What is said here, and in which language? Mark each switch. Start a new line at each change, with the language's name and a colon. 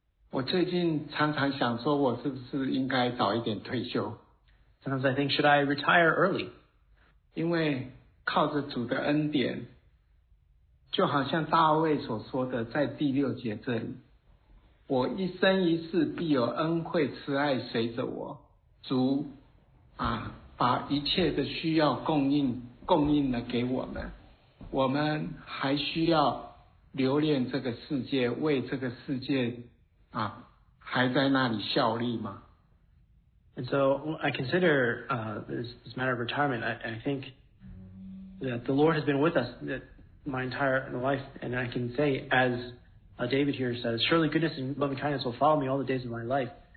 Chinese: 我最近常常想说我是不是应该早一点退休。
English: Sometimes I think, should I retire early?
Chinese: 因为靠着主的恩典，就好像大卫所说的，在第六节这里，我一生一世必有恩惠慈爱随着我，主啊，把一切的需要供应了给我们，我们还需要留恋这个世界，为这个世界啊，还在那里效力吗？
English: And so I consider this matter of retirement. I think that the Lord has been with us my entire life, and I can say as David here says, surely goodness and loving kindness will follow me all the days of my life.